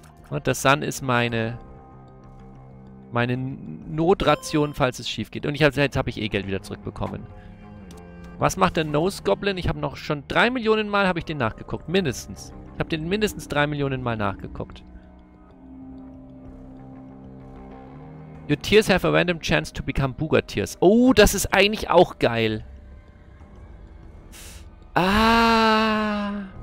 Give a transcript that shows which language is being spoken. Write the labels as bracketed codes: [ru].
[de] Und das Sand ist meine Notration, falls es schief geht. Und jetzt habe ich eh Geld wieder zurückbekommen. Was macht der Nose Goblin? Ich habe noch schon 3 Millionen Mal habe ich den nachgeguckt. Mindestens. Ich habe den mindestens 3 Millionen Mal nachgeguckt. [en] Your tears have a random chance to become Booger tears. [de] Oh, das ist eigentlich auch geil. Ah.